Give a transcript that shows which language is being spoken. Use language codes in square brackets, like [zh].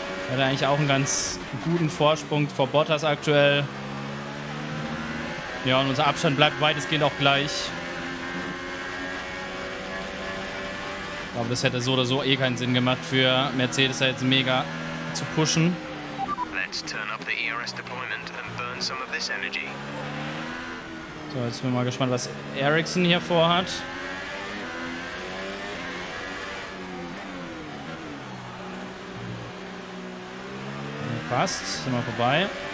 [de] Hat eigentlich auch einen ganz guten Vorsprung vor Bottas aktuell. Ja, und unser Abstand bleibt weitestgehend auch gleich. glaube, das hätte so oder so eh keinen Sinn gemacht, für Mercedes da jetzt mega zu pushen. [en] Let's turn up the ERS deployment and burn some of this energy. [de] So, jetzt bin ich mal gespannt, was Ericsson hier vorhat. Passt, sind wir vorbei.